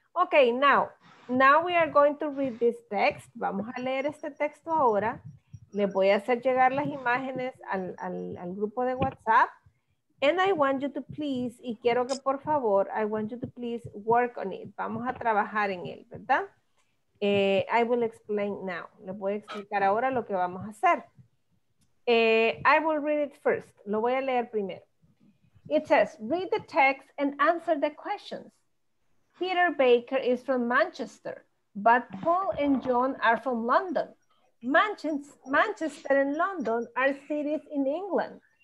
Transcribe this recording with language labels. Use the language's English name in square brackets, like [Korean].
[English] Okay, now we are going to read this text. [Spanish] Vamos a leer este texto ahora. Le voy a hacer llegar las imágenes al grupo de WhatsApp. [English] And I want you to please, [Spanish] y quiero que por favor, [English] I want you to please work on it. [Spanish] Vamos a trabajar en él, ¿verdad? [English] I will explain now. [Spanish] Le voy a explicar ahora lo que vamos a hacer. [English] I will read it first. [Spanish] Lo voy a leer primero. [English] It says, read the text and answer the questions. Peter Baker is from Manchester, but Paul and John are from London. Manchester and London are cities in England.